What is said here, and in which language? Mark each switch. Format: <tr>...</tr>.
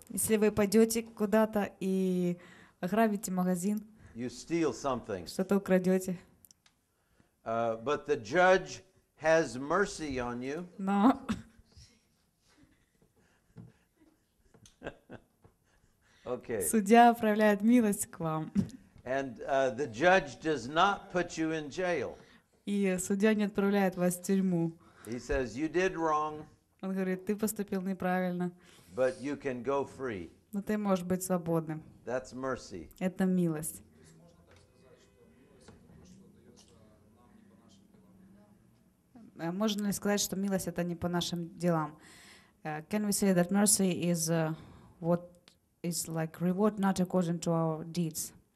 <ru>Если вы пойдете куда-то и ограбите магазин.</ru> <en>You steal something.</en> <ru>Что-то украдете.</ru> <en>But the judge has mercy on you. No. Okay.</en> <ru>Судья проявляет милость к вам.</ru> <en>And the judge does not put you in jail.</en> <ru>И судья не отправляет вас в тюрьму.</ru> <en>He says you did wrong.</en> <ru>Он говорит, ты поступил неправильно.</ru> <en>But you can go free.</en> <ru>Но ты можешь быть свободным.</ru> <en>That's mercy.</en> <ru>Это милость. Можно ли сказать, что милость — это не по нашим делам?</ru> <en>Can we say that mercy is what is like reward not according to our deeds?</en>